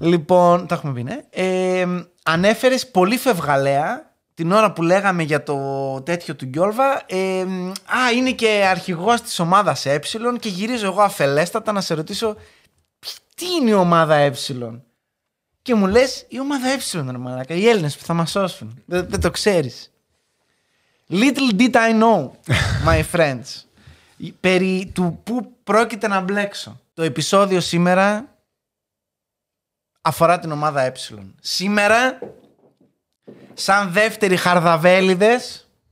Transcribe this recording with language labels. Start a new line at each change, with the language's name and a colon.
Greek: Λοιπόν, τα έχουμε πει, ναι. Ανέφερες πολύ φευγαλαία την ώρα που λέγαμε για το τέτοιο του Γκιόλβα. Είναι και αρχηγός της ομάδας Έψιλον και γυρίζω εγώ αφελέστατα να σε ρωτήσω τι είναι η ομάδα Έψιλον. Και μου λες η ομάδα Έψιλον, ρε μαλάκα, οι Έλληνες που θα μας σώσουν. Δεν το ξέρεις.
English: Little did I know, my friends.
Greek: Περί του πού πρόκειται να μπλέξω. Το επεισόδιο σήμερα αφορά την ομάδα Έψιλον. Σήμερα, σαν δεύτεροι χαρδαβέλιδες...